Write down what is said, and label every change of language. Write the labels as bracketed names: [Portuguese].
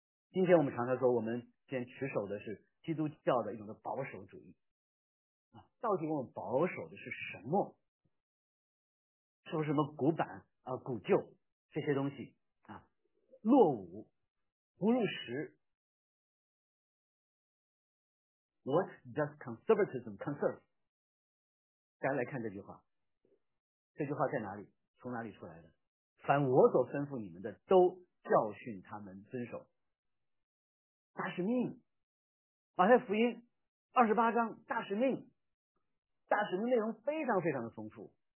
[Chinese] 今天我们常常说，我们先持守的是基督教的一种的保守主义啊，到底我们保守的是什么？说什么古板啊、古旧这些东西啊，落伍不入时。 [English] What does conservatism conserve? [Chinese] 大家来看这句话，这句话在哪里？从哪里出来的？凡我所吩咐你们的，都教训他们遵守。大使命，马太福音28章，大使命，大使命内容非常非常的丰富。